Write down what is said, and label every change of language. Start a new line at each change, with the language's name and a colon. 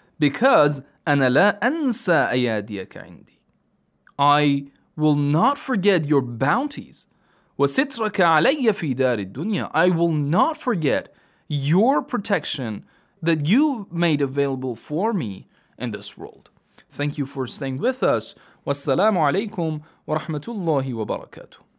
Arabic: Because أنا لا أنسى أياديك عندي.
English: I will not forget your bounties.
Arabic: وسترك علي في دار الدنيا.
English: I will not forget your protection that you made available for me in this world. Thank you for staying with us.
Arabic: والسلام عليكم ورحمة الله وبركاته.